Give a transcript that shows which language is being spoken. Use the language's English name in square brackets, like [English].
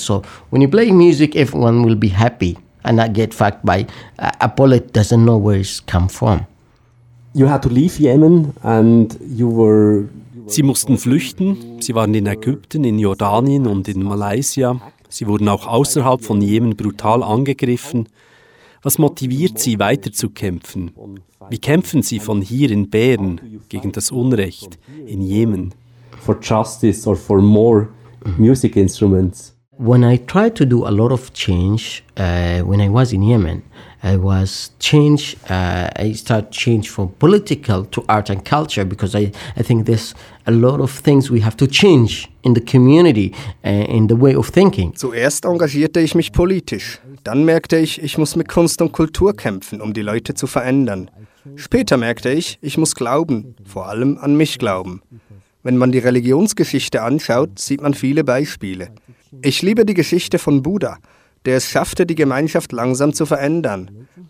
[English] So when you play music, everyone will be happy. And I get fucked by a bullet doesn't know where it's come from. You had to leave Yemen and you were... [German] Sie mussten flüchten. Sie waren in Ägypten, in Jordanien und in Malaysia. Sie wurden auch außerhalb von Jemen brutal angegriffen. Was motiviert Sie, weiter zu kämpfen? Wie kämpfen Sie von hier in Bern gegen das Unrecht in Jemen? [English] For justice or for more music instruments. When I tried to do a lot of change, when I was in Yemen, I started change from political to art and culture, because I think there's a lot of things we have to change in the community, in the way of thinking. [German] Zuerst engagierte ich mich politisch. Dann merkte ich, ich muss mit Kunst und Kultur kämpfen, um die Leute zu verändern. Später merkte ich, ich muss glauben, vor allem an mich glauben. Wenn man die Religionsgeschichte anschaut, sieht man viele Beispiele. Ich liebe die Geschichte von Buddha, der es schaffte, die Gemeinschaft langsam zu verändern.